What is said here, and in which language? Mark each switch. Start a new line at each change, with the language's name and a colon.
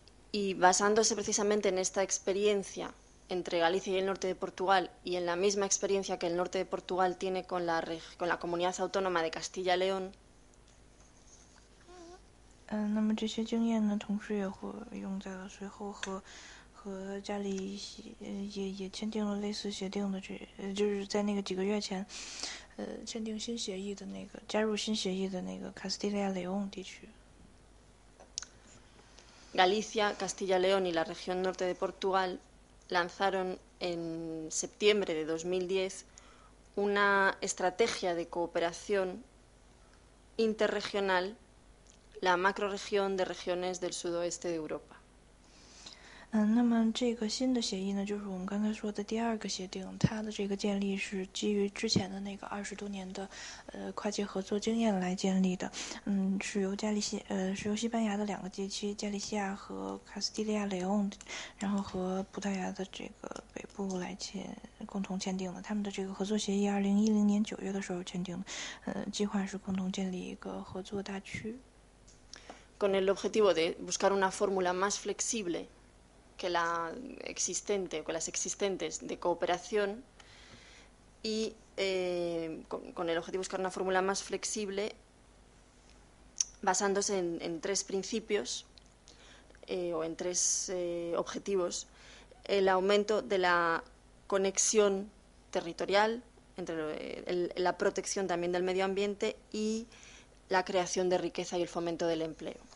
Spanish: Y basándose precisamente en esta experiencia entre Galicia y el norte de Portugal y en la misma experiencia que el norte de Portugal tiene con la comunidad autónoma de Castilla y León.
Chinese: 那么这些经验呢，同时也会用在了随后和加利也签订了类似协定的就是在那个几个月前，签订新协议的那个加入新协议的那个卡斯蒂利亚雷翁地区。
Spanish: Galicia, Castilla y León y la región norte de Portugal lanzaron en septiembre de 2010 una estrategia de cooperación interregional, la macrorregión de regiones del sudoeste de Europa.
Chinese: 那么这个新的协议呢，就是我们刚才说的第二个协定，它的这个建立是基于之前的那个20多年的跨界合作经验来建立的。是由西班牙的两个地区加利西亚和卡斯蒂利亚雷翁，然后和葡萄牙的这个北部来共同签订的。他们的这个合作协议2010年9月的时候签订的，计划是共同建立一个合作大区。
Spanish: Con el objetivo de buscar una fórmula más flexible que la existente o que las existentes de cooperación y con el objetivo de buscar una fórmula más flexible basándose en tres principios o en tres objetivos: el aumento de la conexión territorial, la protección también del medio ambiente y la creación de riqueza y el fomento del empleo.